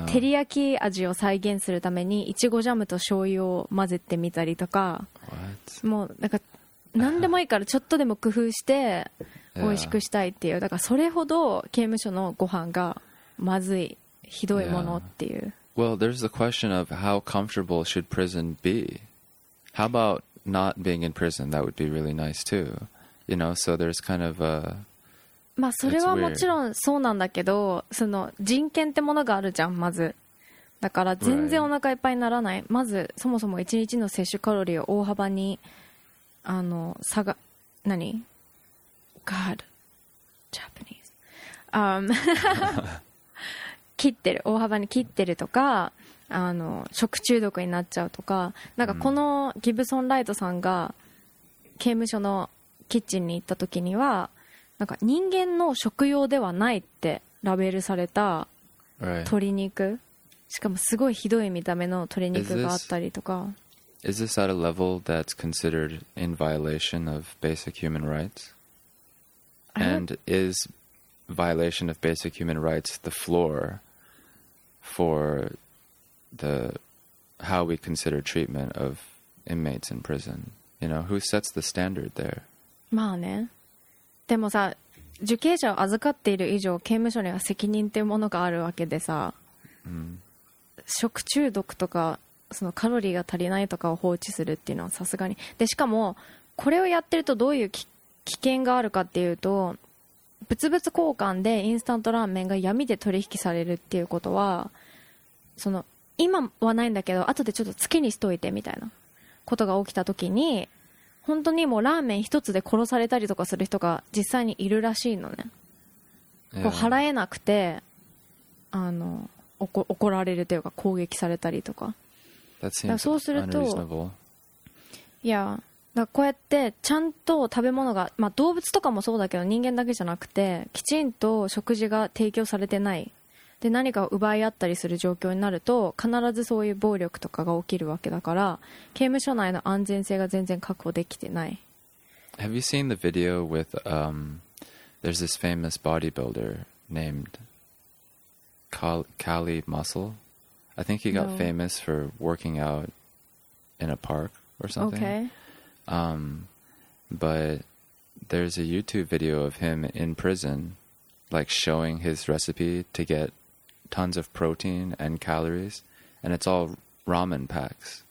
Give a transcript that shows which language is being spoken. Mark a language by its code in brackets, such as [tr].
[ja] 照り焼き味を再現するためにいちごジャムと醤油を混ぜてみたりとか、もうなんか何でもいいからちょっとでも工夫して美味しくしたいっていう。だからそれほど刑務所のご飯がまずい、ひどいものっていう。 [en] Well, there's the question of how comfortable should prison be. How aboutNot being in prison, that would be really nice too. You know, so there's kind of a... [ja] まあそれはもちろんそうなんだけど、その人権ってものがあるじゃん、まず。だから全然お腹いっぱいにならない。まずそもそも1日の摂取カロリーを大幅に、差が、何 ?God. [en] Japanese. [ja] 切ってる。大幅に切ってるとか、食中毒になっちゃうとか、なんかこのギブソン・ライトさんが刑務所のキッチンに行った時には、なんか人間の食用ではないってラベルされた鶏肉、 [en] right. [ja] しかもすごいひどい見た目の鶏肉があったりとか。 [en] Is this at a level that's considered in violation of basic human rights? And is violation of basic human rights the floor for the how we consider treatment of inmates in prison? You know, who sets the standard there? [ja] まあね。でもさ、受刑者を預かっている以上、刑務所には責任っていうものがあるわけでさ、食中毒とかそのカロリーが足りないとかを放置するっていうのはさすがに。でしかもこれをやってるとどういう危険があるかっていうと、物々交換でインスタントラーメンが闇で取引されるっていうことは、その今はないんだけど、後でちょっと付けにしといてみたいなことが起きた時に、本当にもうラーメン一つで殺されたりとかする人が実際にいるらしいのね。こう払えなくて、怒られるというか攻撃されたりとか。そうすると、いや、だこうやってちゃんと食べ物が、まあ動物とかもそうだけど人間だけじゃなくて、きちんと食事が提供されてない。で何かを奪い合ったりする状況になると、必ずそういう暴力とかが起きるわけだから、刑務所内の安全性が全然確保できてない。 [en] Have you seen the video with there's this famous bodybuilder named Cali Muscle? I think he got famous for working out in a park or something. Okay. But there's a YouTube video of him in prison, like showing his recipe to getTons of protein and calories, and it's all ramen packs.